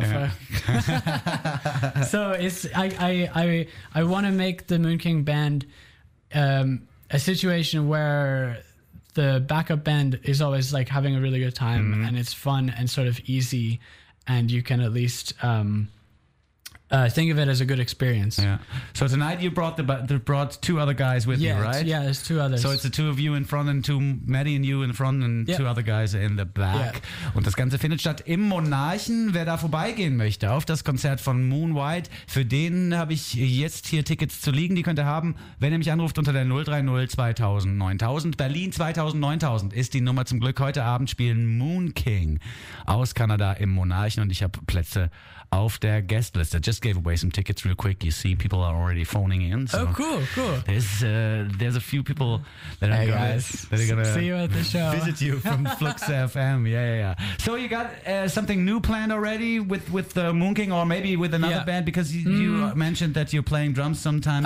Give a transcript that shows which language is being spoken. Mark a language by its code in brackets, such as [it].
[en] Yeah. So it's I want to make the Moon King band a situation where the backup band is always like having a really good time and it's fun and sort of easy. And you can at least think of it as a good experience. Yeah. So tonight you brought brought two other guys with you, right? Yeah, there's two others. So it's the two of you in front and Maddie and you in front and two other guys in the back. [de] Yeah. Und das Ganze findet statt im Monarchen. Wer da vorbeigehen möchte auf das Konzert von Moon White, für den habe ich jetzt hier Tickets zu liegen. Die könnt ihr haben, wenn ihr mich anruft unter der 030 2000 9000. Berlin 2000 9000 ist die Nummer. Zum Glück heute Abend spielen Moon King aus Kanada im Monarchen und ich habe Plätze auf der Guestlist. [en] I just gave away some tickets real quick. You see, people are already phoning in. So oh, cool. There's a few people that are going to see you at the show. Visit you from Flux FM. Yeah. So you got something new planned already with the Moon King or maybe with another band? Because you mentioned that you're playing drums sometimes.